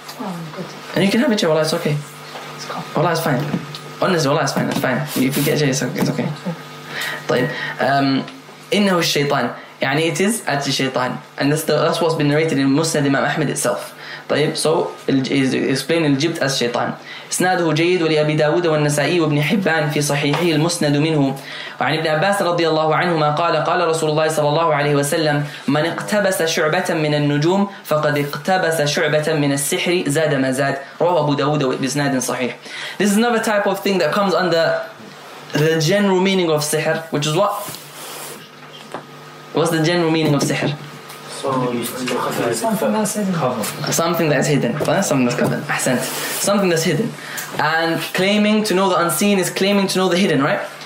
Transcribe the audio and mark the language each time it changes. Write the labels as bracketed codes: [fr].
[en] Oh, good. And you can have a chair, Allah, it's okay. It's cool. Allah, it's fine. Honestly, Allah, it's fine. It's fine. If you get a chair, it's okay. طيب. [ar] إنه الشيطان. [en] يعني it is at the shaitan. And that's what's been narrated in Musnad Imam Ahmed itself. طيب. So, he's explaining Jibt as shaitan. [ar] إسناده جيد ولأبي داود والنسائي وابن حبان في صحيحه المسند منه وعن ابن عباس رضي الله عنهما قال قال رسول الله صلى الله عليه وسلم من اقتبس شعبة من النجوم فقد اقتبس شعبة من السحر زاد ما زاد رواه أبو داود بإسناد صحيح. [en] This is another type of thing that comes under the general meaning of sihr, which is what? What's the general meaning of sihr? Something that's hidden. Something that's hidden. And claiming to know the unseen is claiming to know the hidden, right?